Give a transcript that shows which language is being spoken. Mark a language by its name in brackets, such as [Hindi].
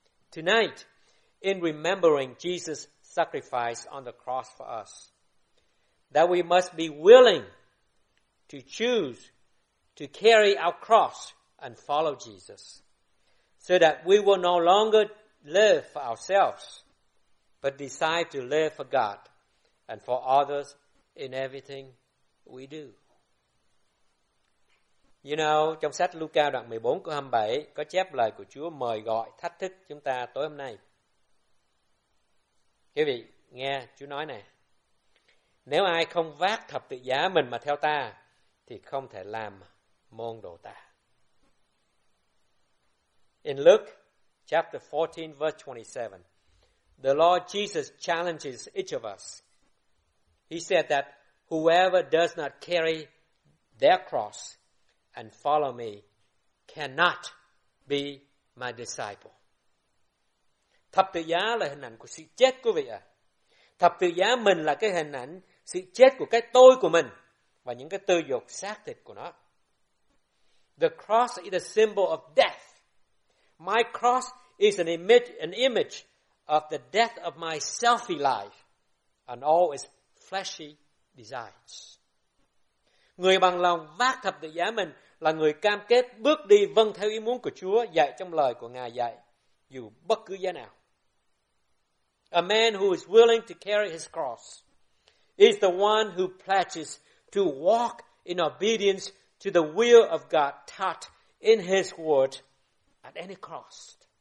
[English] Tonight, in remembering Jesus' sacrifice on the cross for us, that we must be willing to choose to carry our cross and follow Jesus, so that we will no longer live for ourselves, but decide to live for God and for others in everything we do. You know, [Vietnamese] trong sách Luca đoạn 14 câu 27 có chép lời của Chúa mời gọi, thách thức chúng ta tối hôm nay. Quý vị nghe Chúa nói này: nếu ai không vác thập tự giá mình mà theo ta thì không thể làm môn đồ ta. [English] In Luke chapter 14 verse 27, the Lord Jesus challenges each of us. He said that whoever does not carry their cross and follow me cannot be my disciple. [Vietnamese] Thập tự giá là hình ảnh của sự chết, quý vị ạ. Thập tự giá mình là cái hình ảnh sự chết của cái tôi của mình và những cái tư dục xác thịt của nó. [English] The cross is a symbol of death. My cross is an image of the death of my selfish life and all its fleshy desires. [Vietnamese] Người bằng lòng vác thập tự giá mình là người cam kết bước đi vâng theo ý muốn của Chúa dạy trong lời của Ngài dạy, dù bất cứ giá nào. [English] A man who is willing to carry his cross is the one who pledges to walk in obedience to the will of God taught in his word at any cost.